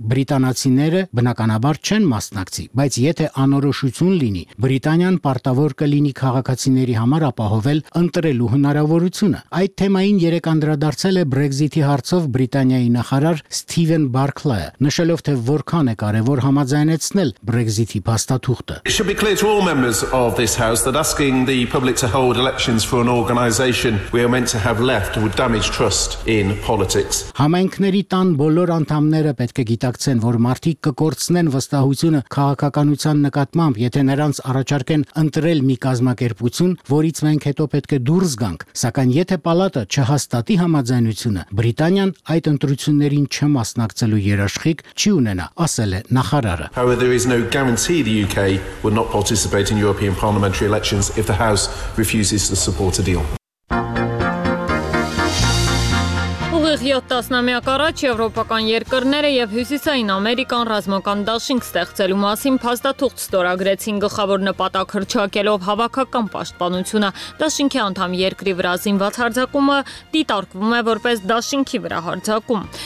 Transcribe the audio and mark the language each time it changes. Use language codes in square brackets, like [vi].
[hy] բրիտանացիները բնականաբար չեն մասնակցի, բայց եթե անորոշություն լինի, Բրիտանիան պարտավոր կլինի քաղաքացիների համար ապահովել ընտրելու հնարավորությունը։ Այդ թեմային երեկ անդրադարձել է Բրեքզիթի հարցով Բրիտանիայի նախարար Սթիվեն Բարքլայը, նշելով, թե որքան է կարևոր համաձայնեցնել Բրեքզիթի փաստաթուղթը։ [en] It should be clear to all members of this House that asking the public to hold elections for an organisation we are meant to have left would damage trust in politics. [hy] Համայնքների տան բոլոր անդամները պետք է գիտակցեն, որ մարդիկ կկործնեն վստահությունը քաղաքականության նկատմամբ, եթե նրանց առաջարկեն ընտրել մի կազմակերպություն, որից մենք հետո պետք է դուրս գանք, սակայն եթե պալատը չհաստատի համաձայնությունը, Բրիտանիան այդ ընտրություններին չմասնակցելու երաշխիք չի ունենա, ասել է նախարարը։ [en] However, there is no guarantee the UK would not participate in European parliamentary elections if the House refuses to support a deal. [hy] Այստեղ 7 տասնամյակ առաջ եվրոպական երկրները եւ Հյուսիսային Ամերիկան ռազմական դաշինք ստեղծելու մասին փաստաթուղթ ստորագրեցին գլխավոր նպատակ հրճակելով հավաքական պաշտպանությունը։ Դաշինքի անդամ երկրի վրա զինված հարձակումը դիտարկվում է որպես դաշինքի վրա հարձակում։